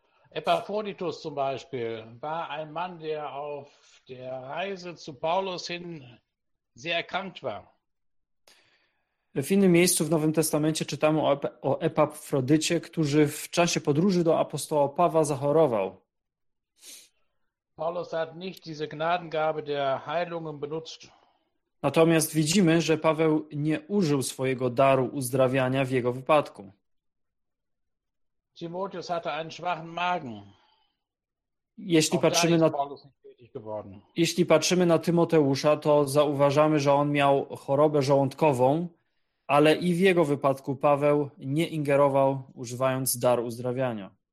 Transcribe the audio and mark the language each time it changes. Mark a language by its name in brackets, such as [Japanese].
[German] Epaphroditus zum Beispiel war ein Mann, der auf der Reise zu Paulus hin sehr erkrankt war. [Polish] W innym miejscu w Nowym Testamencie czytamy o Epafrodycie, który w czasie podróży do apostoła Pawła zachorował. [German] Paulus hat nicht diese Gnadengabe der Heilungen benutzt. [Polish] Natomiast widzimy, że Paweł nie użył swojego daru uzdrawiania w jego wypadku. [German] Timotheus hatte einen schwachen Magen. [Polish] Jeśli patrzymy na [German] Paulus nicht tätig geworden. [Polish] Jeśli patrzymy na Tymoteusza, to zauważamy, że on miał chorobę żołądkową. Ale i w jego wypadku Paweł nie ingerował, używając dar uzdrawiania.